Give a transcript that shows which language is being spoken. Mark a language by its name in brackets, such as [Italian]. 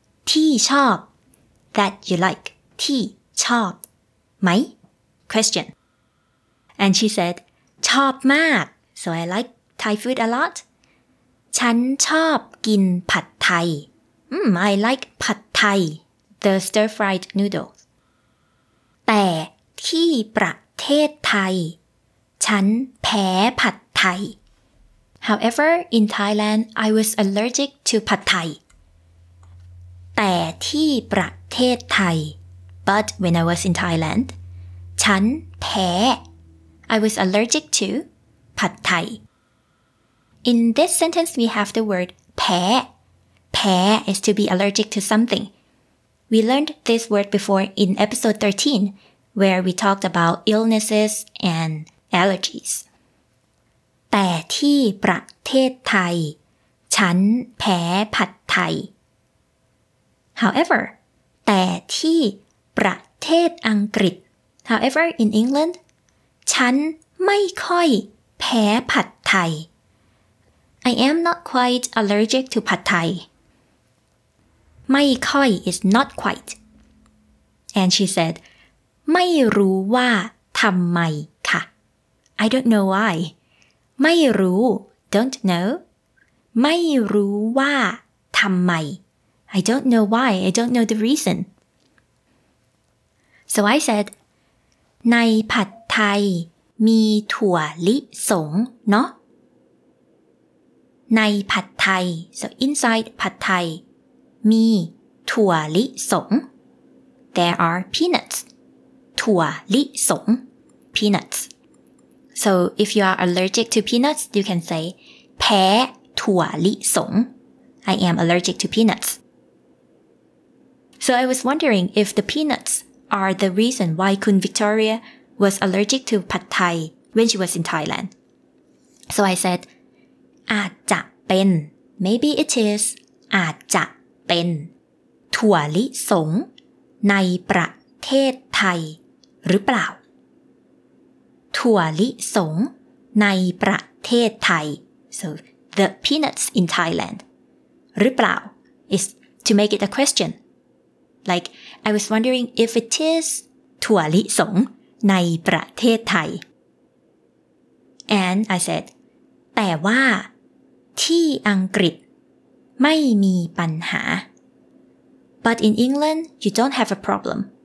[English] ที่ชอบ That you like [Thai] ที่ชอบไหม [English] Question And she said [Thai] ชอบมาก [English] so I like Thai food a lot [Thai] ฉันชอบกินผัดไทย [English] I like ผัดไทย the stir fried noodles [Thai] แต่ที่ประเทศไทยฉันแพ้ผัดไทย [English] however in Thailand I was allergic to ผัดไทย [Thai] แต่ที่ประเทศไทย [English] but when I was in Thailand ฉันแพ้I was allergic to ผัดไทย. In this sentence, we have the word แพ้. แพ้ is to be allergic to something. We learned this word before in episode 13, where we talked about illnesses and allergies. [Thai] แต่ที่ประเทศไทย, ฉันแพ้ผัดไทย. [English] However, [Thai] แต่ที่ประเทศอังกฤษ. [English] However, in England, [Thai] ฉันไม่ค่อยแพ้ผัดไทย [English] I am not quite allergic to ผัดไทยไม่ค่อย is not quite and she said [Thai] ไม่รู้ว่าทำไมค่ะ [English] I don't know why ไม่รู้ don't know [Thai] ไม่รู้ว่าทำไม [English] I don't know why. I don't know the reason. So I said, [Thai] ในผัดไทยมีถั่วลิสงเนาะในผัดไทย [English] so inside [Thai] ผัดไทยมีถั่วลิสง [English] there are peanuts ถั่วลิสง peanuts so if you are allergic to peanuts you can say [Thai] แพ้ถั่วลิสง [English] I am allergic to peanuts so I was wondering if the peanutsare the reason why Kun Victoria was allergic to Pad Thai when she was in Thailand. So I said, [Thai] อาจจะเป็น [English] Maybe it is [Thai] อาจจะเป็นถั่วลิสงในประเทศไทยหรือเปล่า ถั่วลิสงในประเทศไทย [English] So the peanuts in Thailand หรือเปล่า is to make it a questionLike, I was wondering if it is ถั่วลิสงในประเทศไทย And I said, [Thai] แต่ว่าที่อังกฤษไม่มีปัญหา [English] But in England, you don't have a problem.